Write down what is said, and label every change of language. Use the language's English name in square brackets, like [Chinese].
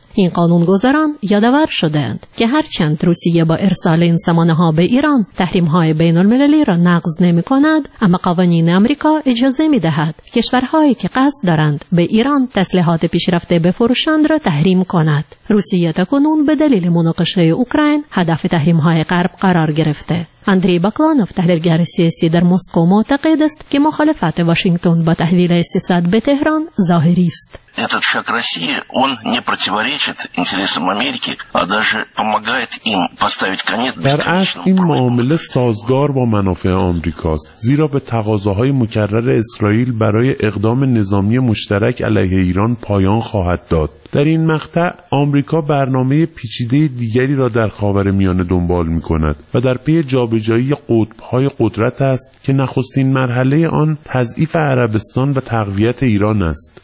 [Persian] این قانونگذاران یادآور شدند که هرچند روسیه با ارسال این سامانه‌ها به ایران تحریم‌های بین‌المللی را نقض نمی‌کند، اما قوانین آمریکا اجازه می‌دهد کشورهایی که قصد دارند به ایران تسلیحات پیشرفته بفروشند را تحریم کند. روسیه تاکنون به دلیل مناقشه اوکراین هدف تحریم‌های غرب قرار گرفته. اندری باکلانوف، تحلیلگر سیاسی در مسکو، معتقد است که مخالفت واشنگتن با تحویل S-300 به تهران ظاهری است. [Russian] Этот шаг России, он не противоречит интересам Америки, а даже помогает им поставить конец бесконечному проекту. [Persian] این معامله سازگار با منافع آمریکاست، زیرا به تقاضاهای مکرر اسرائیل برای اقدام نظامی مشترک علیه ایران پایان خواهد داد. در این مقطع آمریکا برنامه پیچیده دیگری را در خاورمیانه دنبال می‌کند و در پی جابجایی قطب‌های قدرت است که نخستین مرحله آن تضعیف عربستان و تقویت ایران است.